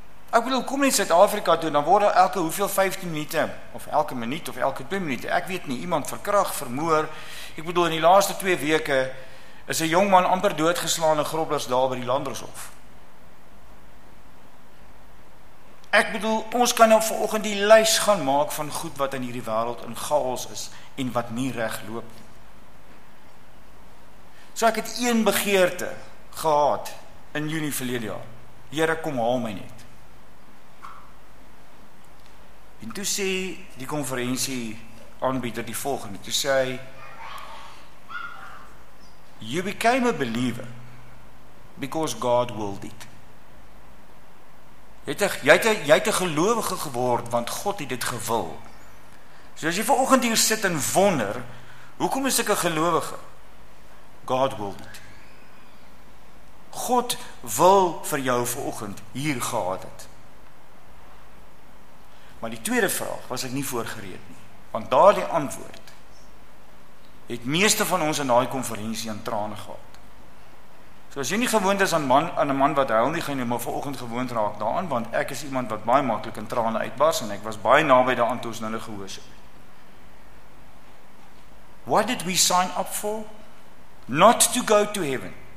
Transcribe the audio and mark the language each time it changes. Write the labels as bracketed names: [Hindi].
[Afrikaans] Ek bedoel, kom nie in Suid-Afrika toe, dan word elke hoeveel 15 minute, of elke minuut, of elke 2 minute, ek weet nie, iemand verkrag, vermoor, ek bedoel, in die laaste 2 weke, is 'n jong man amper doodgeslaan in Groblers daar by die Landroshof. Ek bedoel, ons kan nou vanoggend die lys gaan maak van goed wat in hierdie wêreld in chaos is en wat nie reg loop nie. So ek het een begeerte gehad in Junie verlede jaar. Here, kom haal my net. En toe sê die konferensie aanbieder die volgende, toe sê hy, [English] you became a believer because God willed it. [Afrikaans] Jy het 'n gelowige geword, want God het dit gewil. So as jy vanoggend hier sit en wonder, hoekom is ek 'n gelowige? [English] God willed it. [Afrikaans] God wil vir jou vanoggend hier gehad het. Maar die tweede vraag was ek nie voorgereed nie, want daardie antwoord het meeste van ons in daai konferensie aan trane gehad. So as jy nie gewoond is aan 'n man wat huil nie, gaan jy maar vanoggend gewoond raak daaraan, want ek is iemand wat baie maklik in trane uitbars en ek was baie naby daaraan toe ons nou gehoor het. [English] What did we sign up for? Not to go to heaven.